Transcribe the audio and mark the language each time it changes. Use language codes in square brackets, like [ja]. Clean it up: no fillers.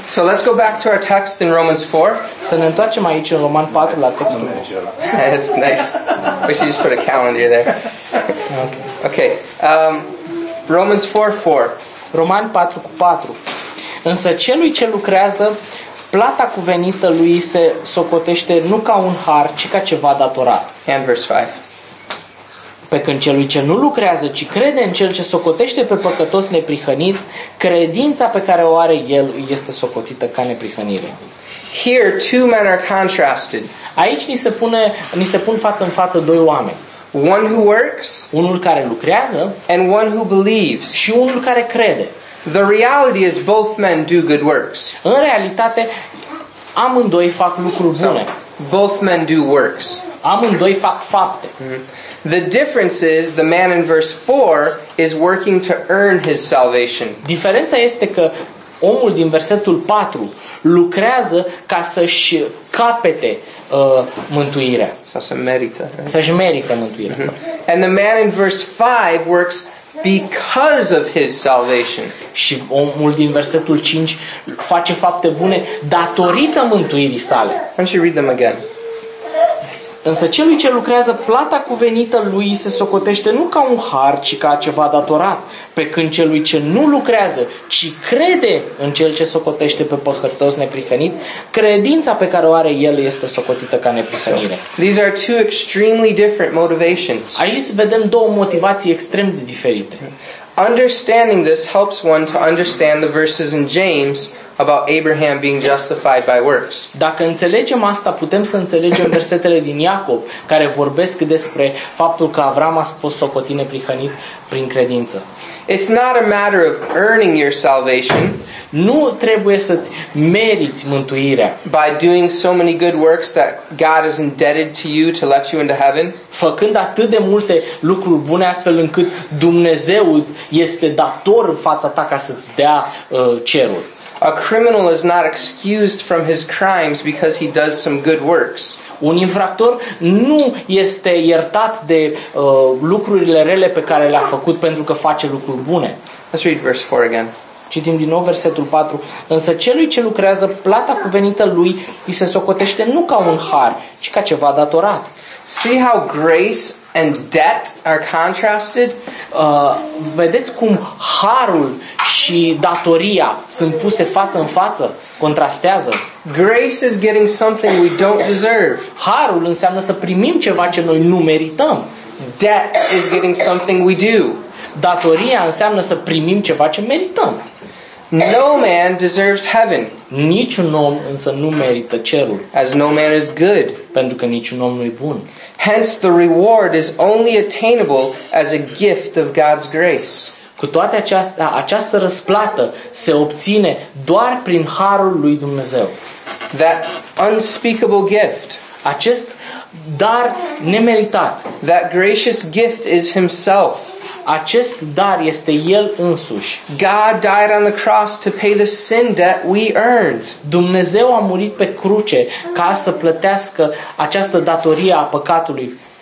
[en] So let's go back to our text in Romans 4. [ro] Să ne întoarcem aici în Roman 4 la textul. [en] That's nice. We should just put a calendar there. Okay. Okay. Romans 4:4. [ro] Roman 4:4. Însă celui ce lucrează, plata cuvenită lui se socotește nu ca un har, ci ca ceva datorat. [en] And verse 5. [ro] Pe când celui ce nu lucrează, ci crede în cel ce socotește pe păcătos neprihănit, credința pe care o are el este socotită ca neprihănire. [en] Here two men are contrasted. [ro] Aici ni se pun față în față doi oameni. [en] One who works, [ro] unul care lucrează, [en] and one who believes, [ro] și unul care crede. [en] The reality is both men do good works. [ro] În realitate, amândoi fac lucruri bune. [en] Both men do works. [ro] Amândoi fac fapte. Mm-hmm. [en] The difference is the man in verse 4 is working to earn his salvation. [ro] Diferența este că omul din versetul 4 lucrează ca să-și capete mântuirea. Să-și merite mântuirea. Mm-hmm. [en] And the man in verse 5 works because of his salvation. [ro] Și omul din versetul 5 face fapte bune datorită mântuirii sale. [en] And she read them again. [ro] Însă celui ce lucrează, plata cuvenită lui se socotește nu ca un har, ci ca ceva datorat. Pe când celui ce nu lucrează, ci crede în cel ce socotește pe păcătos neprihănit, credința pe care o are el este socotită ca neprihănire. [en] These are two extremely different motivations. [ro] Aici vedem două motivații extrem de diferite. [en] Understanding this helps one to understand the verses in James about Abraham being justified by works. [ro] Dacă înțelegem asta, putem să înțelegem versetele din Iacov care vorbesc despre faptul că Avram a fost socotit neprihănit prin credință. [en] It's not a matter of earning your salvation. [ro] Nu trebuie să -ți meriți mântuirea. [en] By doing so many good works that God is indebted to you to let you into heaven. [ro] Făcând atât de multe lucruri bune astfel încât Dumnezeu este dator în fața ta ca să -ți dea cerul. [en] A criminal is not excused from his crimes because he does some good works. [ro] Un infractor nu este iertat de lucrurile rele pe care le-a făcut pentru că face lucruri bune. [en] Let's read verse 4 again. [ro] Citim din nou versetul 4. Însă celui ce lucrează, plata cuvenită lui îi se socotește nu ca un har, ci ca ceva datorat. [en] See how grace and debt are contrasted? [ro] Vedeți cum harul și datoria sunt puse față în față, contrastează? [en] Grace is getting something we don't deserve. [ro] Harul înseamnă să primim ceva ce noi nu merităm. [en] Debt is getting something we do. [ro] Datoria înseamnă să primim ceva ce merităm. [en] No man deserves heaven. [ro] Niciun om însă nu merită cerul. [en] As no man is good. [ro] Pentru că niciun om nu e bun. [en] Hence the reward is only attainable as a gift of God's grace. [ro] Cu toate acestea, această răsplată se obține doar prin harul lui Dumnezeu. [en] That unspeakable gift. [ro] Acest dar nemeritat. [en] That gracious gift is himself. [ro] Acest dar este el însuși. [en] God died on the cross to pay the sin debt we earned. [ro] Dumnezeu a murit pe cruce ca să plătească această datorie a păcatului.